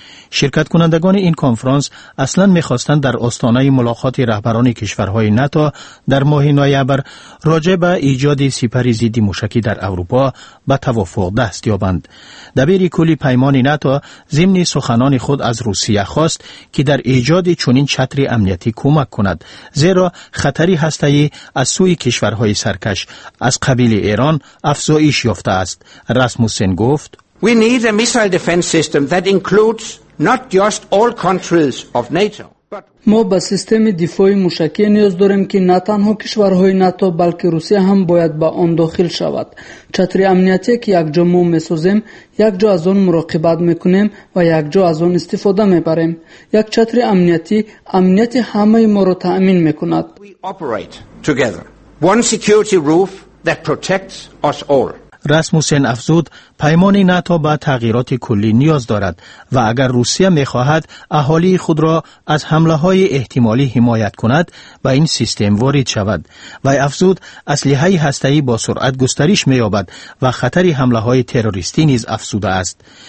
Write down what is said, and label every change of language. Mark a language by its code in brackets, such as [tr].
[fa] شرکت کنندگان این کنفرانس اصلا می‌خواستند در آستانه ملاقات رهبران کشورهای ناتو در ماه نوامبر راجع به ایجاد سپری ضد موشکی در اروپا به توافق دست یابند. دبیر کل پیمان ناتو ضمن سخنان خود از روسیه خواست که در ایجاد چنین چتر امنیتی کمک کند، زیرا خطری هسته‌ای از سوی کشورهای سرکش از قبیل ایران افزایش یافته است. راسموسن گفت: [en] We need a missile defense system that includes not just all countries of NATO. [fa] ما به سیستم دفاعی موشکی نیاز داریم که نه تنها کشورهای ناتو بلکه روسیه هم باید به آن داخل شود. چتر امنیتی که یک جا ما می‌سازیم، یک جا از آن مراقبت می‌کنیم و یک جا از آن استفاده می‌بریم. یک چتر امنیتی امنیت همه ما را تأمین می‌کند. [en] We operate together. One security roof that protects us all. [fa] راسموسن افزود پیمان ناتو به تغییرات کلی نیاز دارد و اگر روسیه می‌خواهد اهالی خود را از حمله‌های احتمالی حمایت کند به این سیستم وارد شود. و افزود اسلحه‌های هسته‌ای با سرعت گسترش می‌یابد و خطر حمله‌های تروریستی نیز افزوده است.